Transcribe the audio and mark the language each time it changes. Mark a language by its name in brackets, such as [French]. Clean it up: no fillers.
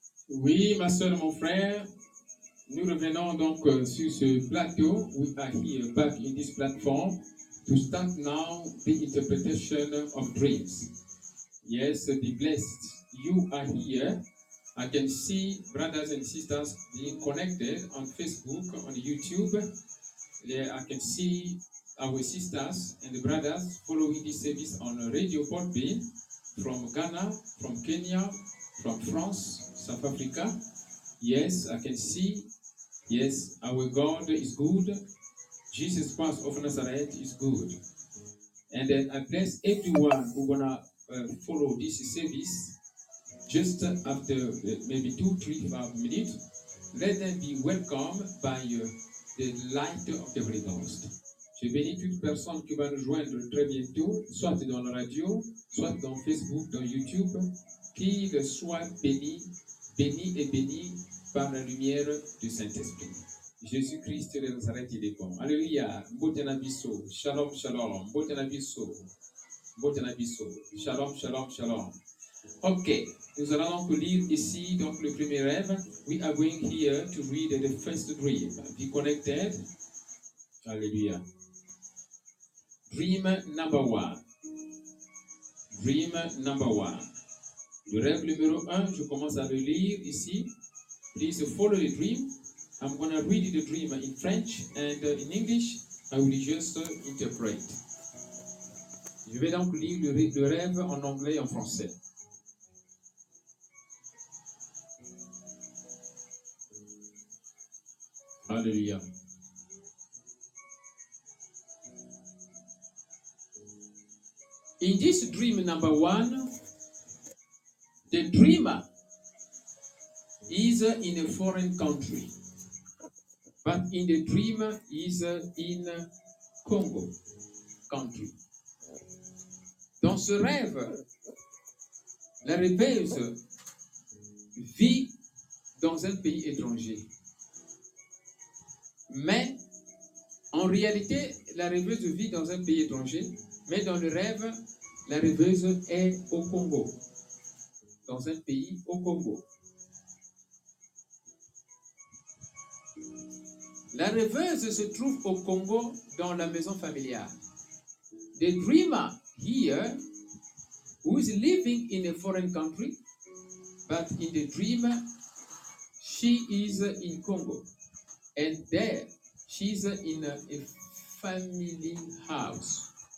[French] Oui, ma soeur, mon frère, nous revenons donc sur ce plateau. [English] We are here back in this platform to start now the interpretation of dreams. Yes, be blessed. You are here. I can see brothers and sisters being connected on Facebook, on YouTube. There I can see our sisters and brothers following this service on Radio Podbean from Ghana, from Kenya, from France, South Africa. Yes, I can see. Yes, our God is good. Jesus Christ of Nazareth is good. And then I bless everyone who gonna follow this service just after maybe 2-5 minutes. Let them be welcomed by the light of the Holy Ghost. [French] Je bénis toute personne qui va nous joindre très bientôt, soit dans la radio, soit dans Facebook, dans YouTube. Qu'il soit béni, béni et béni par la lumière du Saint-Esprit. Jésus-Christ de Nazareth, il est bon. Alléluia. Botanabiso. Shalom, shalom. Botanabiso. Botanabiso. Shalom, shalom, shalom. Ok. Nous allons donc lire ici donc, le premier rêve. [English] We are going here to read the first dream. Be connected. Alléluia. Dream number one. Dream number one. [French] Le rêve numéro 1, je commence à le lire ici. [English] Please follow the dream. I'm going to read the dream in French and in English. I will just interpret. [French] Je vais donc lire le rêve en anglais et en français. Alléluia. [English] In this dream number 1, the dreamer is in a foreign country, but in the dream is in Congo country. [French] Dans ce rêve, la rêveuse vit dans un pays étranger. Mais en réalité, la rêveuse vit dans un pays étranger, mais dans le rêve, la rêveuse est au Congo. Dans un pays au Congo. La rêveuse se trouve au Congo dans la maison familiale. [English] The dreamer here, who is living in a foreign country, but in the dream, she is in Congo. And there, she is in a family house.